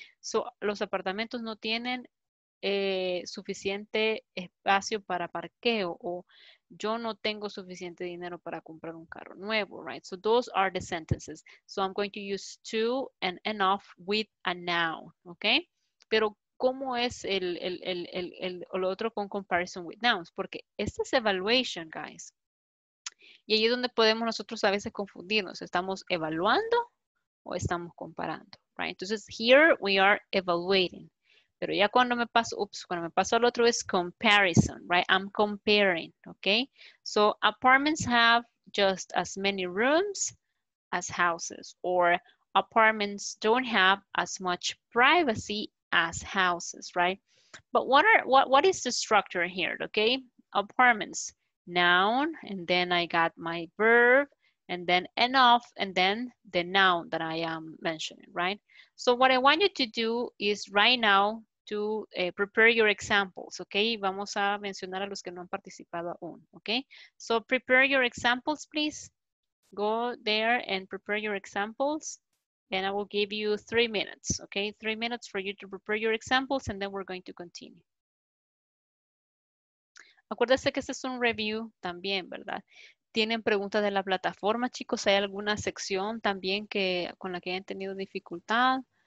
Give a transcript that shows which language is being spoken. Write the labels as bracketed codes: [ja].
[es] So los apartamentos no tienen suficiente espacio para parqueo, o yo no tengo suficiente dinero para comprar un carro nuevo, right? [en] So those are the sentences. So I'm going to use too and enough with a noun, okay? [es] Pero ¿cómo es el otro con [en] comparison with nouns? [es] Porque esta es evaluation, guys. Y ahí es donde podemos nosotros a veces confundirnos. ¿Estamos evaluando o estamos comparando? Right? Entonces, [en] here we are evaluating. [es] Pero ya cuando me paso, oops, cuando me paso al otro es comparison, right? [en] I'm comparing, okay? So, apartments have just as many rooms as houses. Or apartments don't have as much privacy as houses, right? But what is the structure here, okay? Apartments, noun, and then I got my verb, and then enough, and then the noun that I am mentioning, right? So what I want you to do is right now to prepare your examples, okay? [es] Vamos a mencionar a los que no han participado aún, okay? [en] So prepare your examples, please. Go there and prepare your examples. And I will give you 3 minutes, okay? 3 minutes for you to prepare your examples, and then we're going to continue. [es] Acuérdense que este es un review también, ¿verdad? ¿Tienen preguntas de la plataforma, chicos? ¿Hay alguna sección también que, con la que hayan tenido dificultad?